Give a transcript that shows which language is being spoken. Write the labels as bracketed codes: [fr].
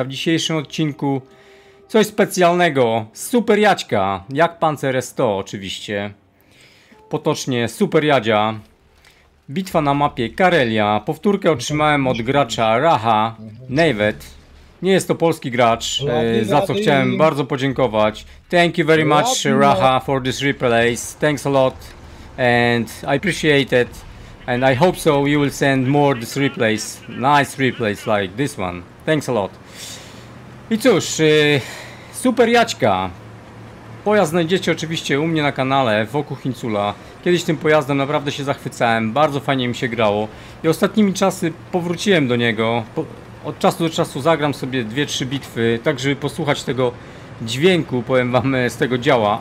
[pl] A w dzisiejszym odcinku coś specjalnego, super jaćka, jak Panzer S100 oczywiście. Potocznie super jadzia. Bitwa na mapie Karelia. Powtórkę otrzymałem od gracza Raha, Nawet. Nie jest to polski gracz, za co chciałem bardzo podziękować. [en] Thank you very much Raha for this replays, thanks a lot. And I appreciate it. And I hope so you will send more these replays, nice replays like this one. Thanks a lot. [pl] I cóż, super jaćka. Pojazd znajdziecie oczywiście u mnie na kanale wokół Hincula. Kiedyś tym pojazdem naprawdę się zachwycałem, bardzo fajnie mi się grało. I ostatnimi czasy powróciłem do niego. Od czasu do czasu zagram sobie 2-3 bitwy, tak żeby posłuchać tego dźwięku, powiem wam, z tego działa.